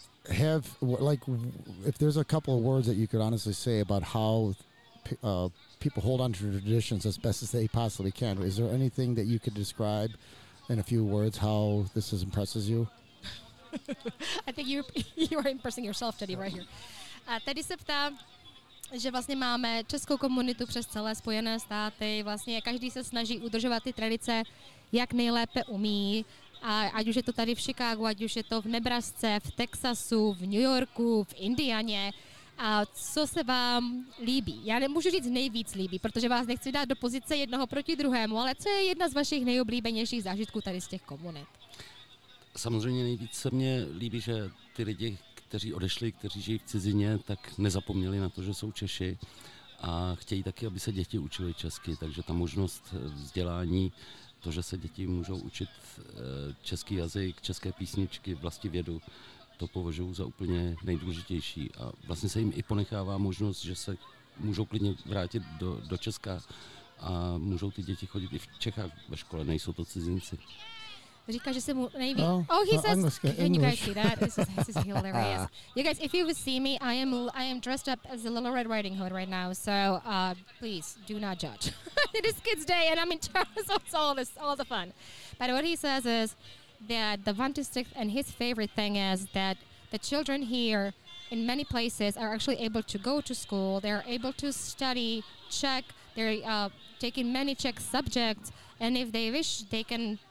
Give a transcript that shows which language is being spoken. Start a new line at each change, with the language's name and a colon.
English: Have, like, if there's a couple of words that you could honestly say about how people hold on to traditions as best as they possibly can, is there anything that you could describe in a few words how this is impresses you? I think you are impressing yourself, Teddy, right here.
Czech: Teddy se ptá, že vlastně máme českou komunitu přes celé Spojené státy, vlastně každý se snaží udržovat ty tradice, jak nejlépe umí, a ať už je to tady v Chicagu, ať už je to v Nebrasce, v Texasu, v New Yorku, v Indianě. A co se vám líbí? Já nemůžu říct nejvíc líbí, protože vás nechci dát do pozice jednoho proti druhému, ale co je jedna z vašich nejoblíbenějších zážitků tady z těch komunit? Samozřejmě nejvíc se mně líbí, že ty lidi, kteří odešli, kteří žijí v cizině, tak nezapomněli na to, že jsou Češi a chtějí taky, aby se děti učili česky, takže ta možnost vzdělání, to, že se děti můžou učit český jazyk, české písničky, vlastivědu, to považuji za úplně nejdůležitější. A vlastně se jim i ponechává možnost, že se můžou klidně vrátit do Česka a můžou ty děti chodit i v Čechách ve škole, nejsou to cizinci. Říká, že se mu nejvíc...
English: Oh, he says, can you guys see that? This is hilarious. You guys, if you see me, I am dressed up as a Little Red Riding Hood right now, so please, do not judge. It is kids' day, and I'm in charge, so it's all the fun. But what he says is that the fantastic and his favorite thing is that the children here in many places are actually able to go to school, they're able to study Czech, they're taking many Czech subjects, and if they wish, they can...